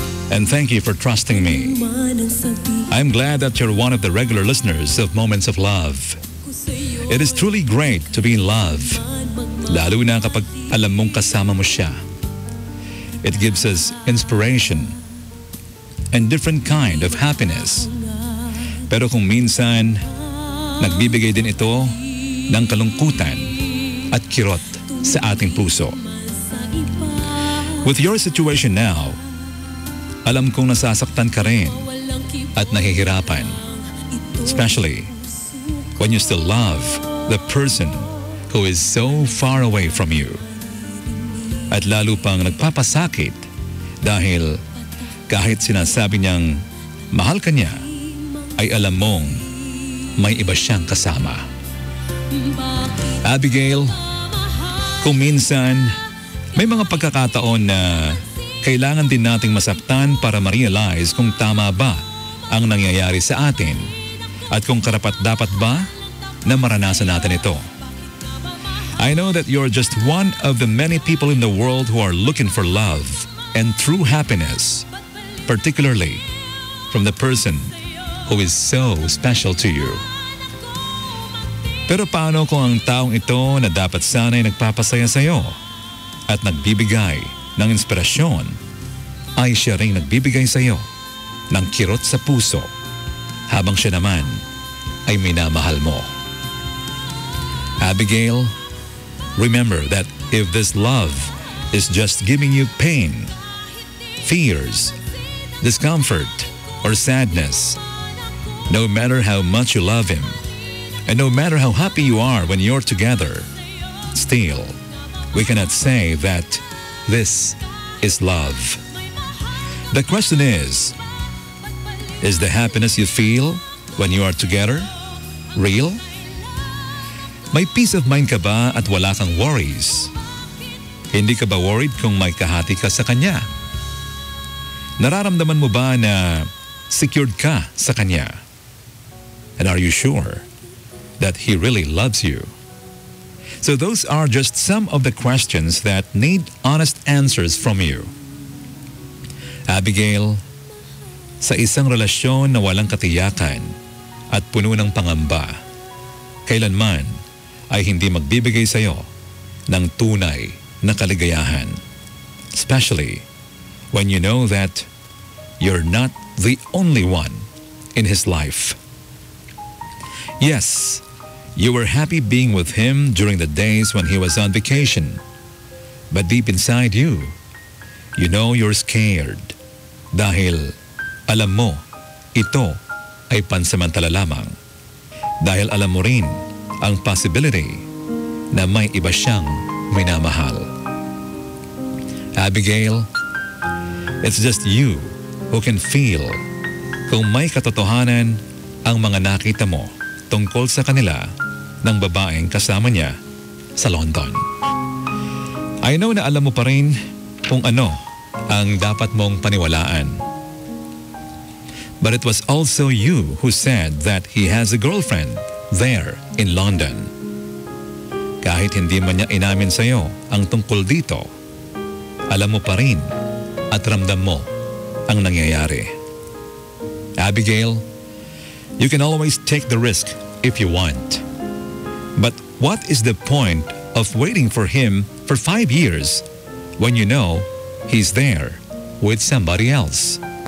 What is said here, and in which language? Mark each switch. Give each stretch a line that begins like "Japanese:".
English: And thank you for trusting me. I'm glad that you're one of the regular listeners of Moments of Love. It is truly great to be in love,
Filipino: lalo na kapag alam mong kasama mo siya.
English: It gives us inspiration and different kind of happiness.
Filipino: Pero kung minsan, nagbibigay din ito ng kalungkutan at kirot sa ating puso.
English: With your situation now,
Filipino: alam kong nasasaktan ka rin at nahihirapan,
English: especially when you still love the person who is so far away from you.
Filipino: At lalo pang nagpapasakit dahil kahit sinasabi niyang mahal ka niya, ay alam mong may iba siyang kasama. Abigail, kung minsan may mga pagkakataon na kailangan din nating masaktan para ma-realize kung tama ba ang nangyayari sa atin at kung karapat-dapat ba na maranasan natin ito.
English: I know that you're just one of the many people in the world who are looking for love and true happiness, particularly from the person who is so special to you.
Filipino: Pero paano kung ang taong ito na dapat sana'y nagpapasaya sa'yo at nagbibigay ng inspirasyon, ay siya rin nagbibigay sa iyo ng kirot sa puso habang siya naman ay minamahal mo.
English: Abigail, remember that if this love is just giving you pain, fears, discomfort, or sadness, no matter how much you love him, and no matter how happy you are when you're together, still, we cannot say that this is love. The question is the happiness you feel when you are together real?
Filipino: May
English: peace of mind
Filipino: ka ba at wala kang worries? Hindi ka ba worried kung may kahati ka sa kanya? Nararamdaman mo ba na secured ka sa kanya?
English: And are you sure that he really loves you? So those are just some of the questions that need honest answers from you.
Filipino: Abigail, sa isang relasyon na walang katiyakan at puno ng pangamba, kailanman ay hindi magbibigay sa iyo ng tunay na kaligayahan.
English: Especially when you know that you're not the only one in his life. Yes, you were happy being with him during the days when he was on vacation. But deep inside you, you know you're scared.
Filipino: Dahil alam mo, ito ay pansamantala lamang. Dahil alam mo rin ang possibility na may iba siyang minamahal. Abigail,
English: it's just you who can feel
Filipino: kung may katotohanan ang mga nakita mo tungkol sa kanila ng babaeng kasama niya sa London.
English: I know
Filipino: na alam mo pa rin kung ano ang dapat mong paniwalaan.
English: But it was also you who said that he has a girlfriend there in London.
Filipino: Kahit hindi man niya inamin sa iyo ang tungkol dito, alam mo pa rin at ramdam mo ang nangyayari.
English: Abigail, you can always take the risk if you want. But what is the point of waiting for him for 5 years when you know he's there with somebody else?